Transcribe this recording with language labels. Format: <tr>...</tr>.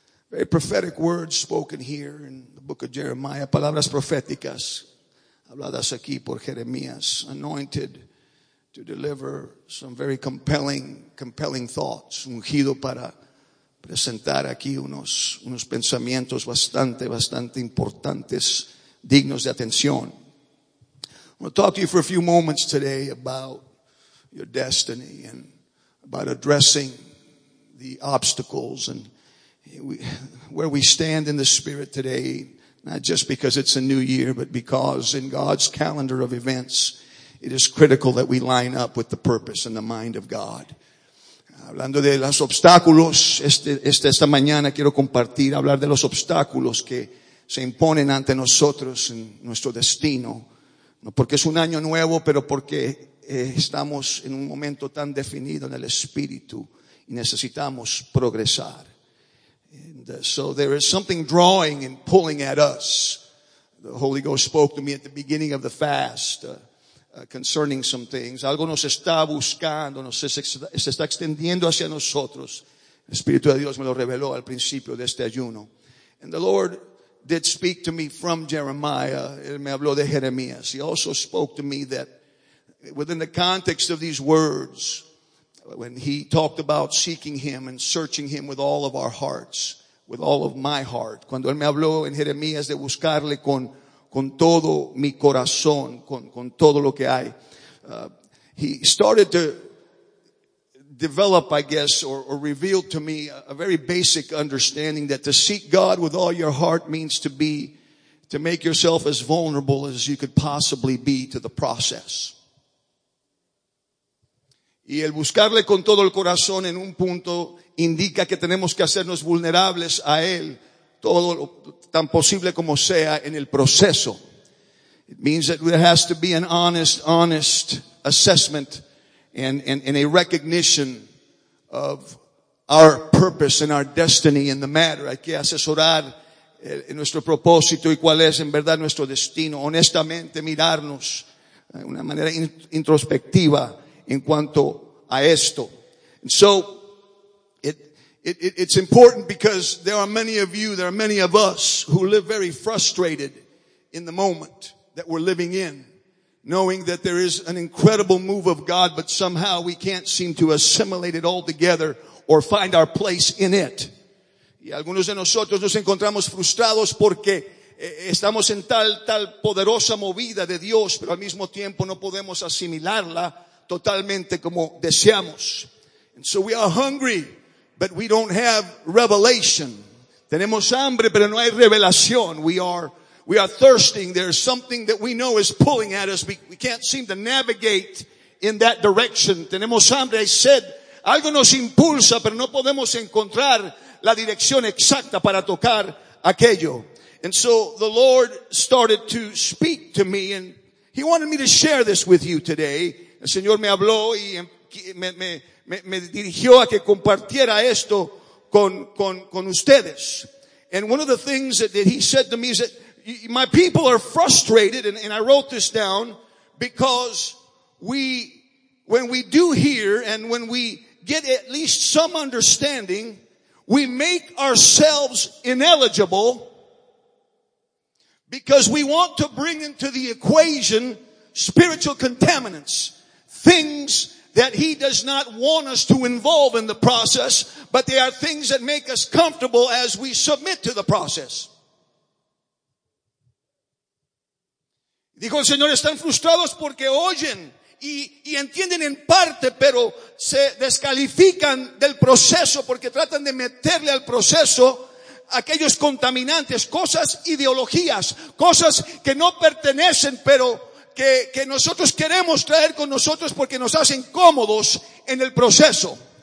<en>Very prophetic words spoken here in the book of Jeremiah.</en> <es>Palabras proféticas habladas aquí por Jeremías.</es> <en>Anointed to deliver some very compelling thoughts.</en> <es>Ungido para presentar aquí unos pensamientos bastante importantes, dignos de atención.</es> <en>I'm going to talk to you for a few moments today about your destiny and about addressing the obstacles and where we stand in the Spirit today, not just because it's a new year, but because in God's calendar of events, it is critical that we line up with the purpose and the mind of God.</en> <es>Hablando de los obstáculos, esta mañana quiero compartir, hablar de los obstáculos que se imponen ante nosotros en nuestro destino. No porque es un año nuevo, pero porque estamos en un momento tan definido en el espíritu y necesitamos progresar.</es> <en>And so there is something drawing and pulling at us. The Holy Ghost spoke to me at the beginning of the fast concerning some things.</en> <es>Algo nos está buscando, se está extendiendo hacia nosotros. El Espíritu de Dios me lo reveló al principio de este ayuno.</es> <en>And the Lord did speak to me from Jeremiah.</en> <es>Él me habló de Jeremías.</es> <en>He also spoke to me that within the context of these words, when he talked about seeking him and searching him with all of our hearts, with all of my heart.</en> <es>Cuando él me habló en Jeremías de buscarle con todo mi corazón, con todo lo que hay.</es> <en>He started to develop, I guess, or reveal to me a very basic understanding that to seek God with all your heart means to make yourself as vulnerable as you could possibly be to the process.</en> <es>Y el buscarle con todo el corazón en un punto indica que tenemos que hacernos vulnerables a él, todo lo tan posible como sea en el proceso.</es> <en>It means that there has to be an honest assessment and a recognition of our purpose and our destiny in the matter.</en> <es>Hay que asesorar en nuestro propósito y cuál es en verdad nuestro destino. Honestamente mirarnos de una manera introspectiva. En cuanto a esto.</es> <en>And so, it's important because there are many of you, there are many of us who live very frustrated in the moment that we're living in, knowing that there is an incredible move of God, but somehow we can't seem to assimilate it all together or find our place in it.</en> <es>Y algunos de nosotros nos encontramos frustrados porque estamos en tal poderosa movida de Dios, pero al mismo tiempo no podemos asimilarla totalmente como deseamos.</es> <en>And so we are hungry, but we don't have revelation.</en> <es>Tenemos hambre, pero no hay revelación.</es> <en>We are thirsting. There's something that we know is pulling at us. We can't seem to navigate in that direction.</en> <es>Tenemos hambre,</es> <en>I said.</en> <es>Algo nos impulsa, pero no podemos encontrar la dirección exacta para tocar aquello.</es> <en>And so the Lord started to speak to me, and he wanted me to share this with you today.</en> <es>El Señor me habló y me dirigió a que compartiera esto con ustedes.</es> <en>And one of the things that he said to me is that my people are frustrated, and I wrote this down, because when we do hear and when we get at least some understanding, we make ourselves ineligible because we want to bring into the equation spiritual contaminants. Things that he does not want us to involve in the process, but they are things that make us comfortable as we submit to the process.</en> <es>Dijo el Señor, están frustrados porque oyen y entienden en parte, pero se descalifican del proceso porque tratan de meterle al proceso aquellos contaminantes, cosas, ideologías, cosas que no pertenecen, pero que nosotros queremos traer con nosotros porque nos hacen cómodos en el proceso.</es>